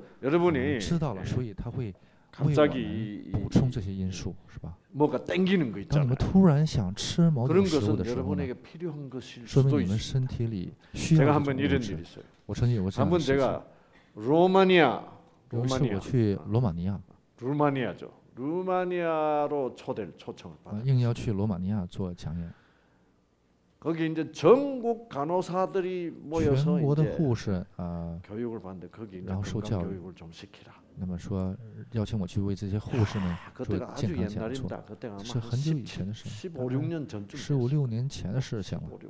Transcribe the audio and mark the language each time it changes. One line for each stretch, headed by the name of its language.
Korean: 여러분이
Chinese: 知道了，所以他会为我们补充这些因素，是吧？
Korean: 뭐가땡기는거있잖아요。
Chinese: 当你们突然想吃某种食物的时候，说明你们身体里需要。
Korean: 제가한번이런일있어요。
Chinese: 我曾经有过这样的事情。
Korean: 한번제가루마니아，
Chinese: 有一次我去罗马尼亚。
Korean: 루마니아죠，루마니아로초대초청을받았。
Chinese: 硬要去罗马尼亚做讲演。
Korean: 거기이제전국간호사들이모여서
Chinese: 全国的护士啊，
Korean: 교육을받는데거기
Chinese: 然后受教
Korean: 育좀시키라
Chinese: 那么说邀请我去为这些护士们做健康讲座，
Korean: 그때가
Chinese: 是很久以前的事，15、16年前的事情了。